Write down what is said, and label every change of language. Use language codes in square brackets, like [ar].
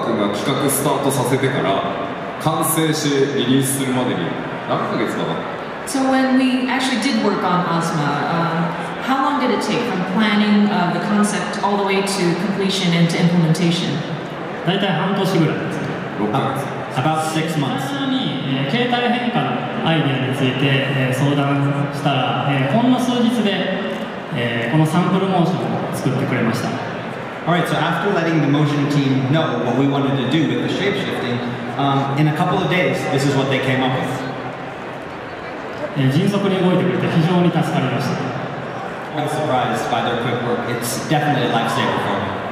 [ja] 実際、オスマで中川君が企画スタートさせてから 完成しリリースするまでに何ヶ月かかった。 [en] So when we actually did work on Ozma, how long did it take from planning of the concept all the way to completion and to implementation? [ja] 大体半年ぐらいですね。6ヶ月。 [en] About 6 months. [ja] 最初に携帯変化のアイデアについて相談したら、ほんの数日でこのサンプルモーションを作ってくれました。 [en] Alright, so after letting the motion team know what we wanted to do with the shape-shifting, in a couple of days, this is what they came up with. I'm surprised by their quick work. It's definitely a lifesaver for me.